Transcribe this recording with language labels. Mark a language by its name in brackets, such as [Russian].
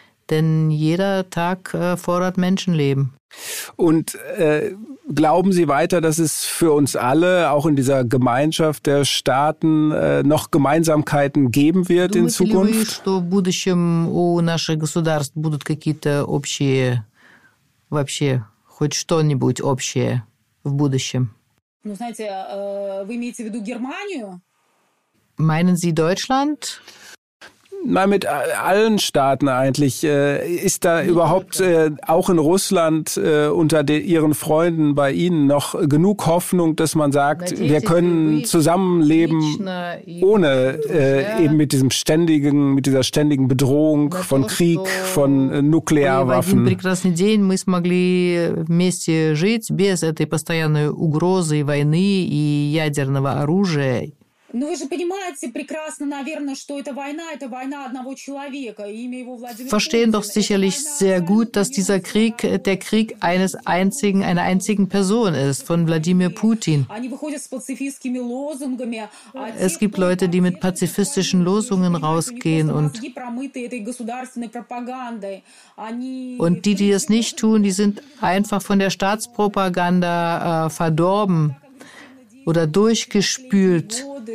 [German] Denn jeder Tag fordert Menschenleben. Und glauben Sie weiter, dass es für uns alle, auch in dieser Gemeinschaft der Staaten, noch Gemeinsamkeiten geben wird in Zukunft? [Russian] Что в будущем у наших государств будут какие-то общие, вообще хоть что-нибудь общее в будущем? Ну, знаете, вы имеете в виду Германию? [German] Meinen Sie Deutschland? Nein, mit allen Staaten eigentlich. Ist da überhaupt auch in Russland unter Ihren Freunden bei Ihnen noch genug Hoffnung, dass man sagt, wir können zusammenleben ohne eben mit diesem ständigen, mit dieser ständigen Bedrohung von Krieg, von Nuklearwaffen? Wir haben einen [Russian] прекрасный день, мы смогли вместе жить без этой постоянной угрозы войны и ядерного оружия. Ну вы же понимаете прекрасно, наверное, что это война одного человека, имя его Владимир Путин. [German] Verstehen doch sicherlich sehr gut, dass dieser Krieg der Krieg eines einzigen einer einzigen Person ist von Wladimir Putin. [Russian] Они выходят с пацифистскими лозунгами. [German] Es gibt Leute, die mit pazifistischen Losungen rausgehen und die, die es nicht tun, die sind einfach von der Staatspropaganda verdorben oder durchgespült.